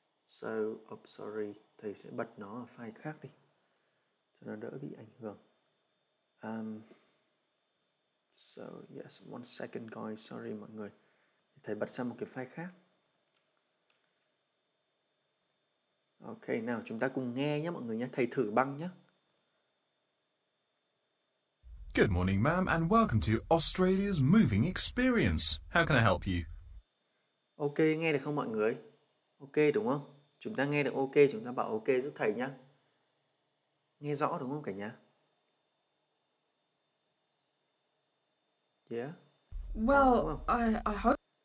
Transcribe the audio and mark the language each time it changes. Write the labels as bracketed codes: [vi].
[en] So, oh, sorry, [vi] thầy sẽ bật nó ở file khác đi, cho nó đỡ bị ảnh hưởng. [en] So, yes, one second, guys, sorry [vi] mọi người. Thầy bật sang một cái file khác. Ok, nào, chúng ta cùng nghe nhé mọi người nhé. Thầy thử băng nhé. [en] Good morning, ma'am, and welcome to Australia's Moving Experience. How can I help you? [vi] Ok, nghe được không mọi người? Ok, đúng không? Chúng ta nghe được ok, chúng ta bảo ok giúp thầy nhé. Nghe rõ đúng không cả nhà? [en] Yeah. Well, I hope...